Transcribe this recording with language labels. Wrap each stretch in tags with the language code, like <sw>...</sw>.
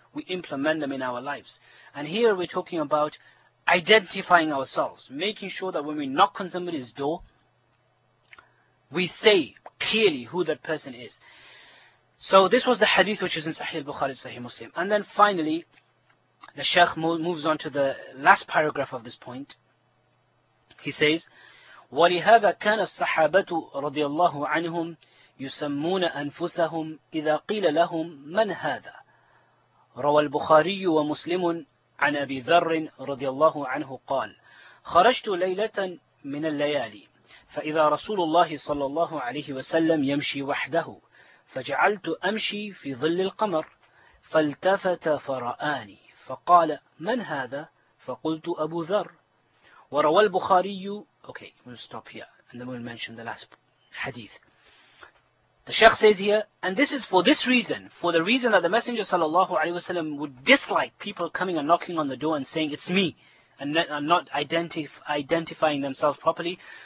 <en>We implement them in our lives. And here we're talking about identifying ourselves, making sure that when we knock on somebody's door, we say clearly who that person is. So this was the hadith which is in Sahih Bukhari, Sahih Muslim. And then finally, the Shaykh moves on to the last paragraph of this point. He says,</en> <ar>وَلِهَذَا كَانَ الصَّحَابَةُ رَضِيَ اللَّهُ عَنْهُمْ يُسَمُّونَ أَنفُسَهُمْ إِذَا قِيلَ لَهُمْ مَنْ هَذَا رَوَى الْبُخَارِيُّ وَمُسْلِمٌ عَنْ أَبِي ذَرٍ رَضِيَ اللَّهُ عَنْهُ قَالَ خَرَجْتُ لَيْلَةً مِنَ اللَّيَالِي فإذا رسول الله صلى الله عليه وسلم يمشي وحده فجعلت أمشي في ظل القمر فالتفت فرآني فقال من هذا فقلت أبو ذر وروى البخاري.</ar> <en>Okay, we'll stop here and then we'll mention the last hadith. The Shaykh says here, and this is for this reason, for the reason that the Messenger صلى الله عليه وسلم would dislike people coming and knocking on the door and saying it's me and not identifying themselves properly.</en>